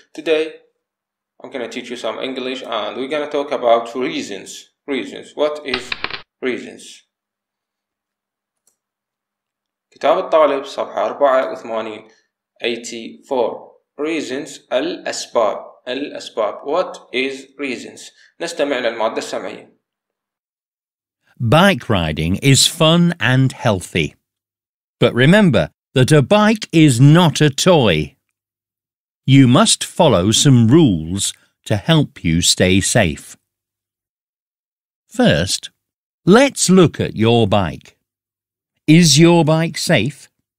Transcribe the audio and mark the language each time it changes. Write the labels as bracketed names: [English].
[English] Today I'm going to teach you some English and we're going to talk about reasons. Reasons. What is reasons? [Arabic] كتاب الطالب صفحة 84 84 reasons الأسباب الأسباب [English] what is reasons [Arabic] نستمع للمادة السمعية. [English] Bike riding is fun and healthy, but remember that a bike is not a toy. You must follow some rules to help you stay safe. First, let's look at your bike. Is your bike safe?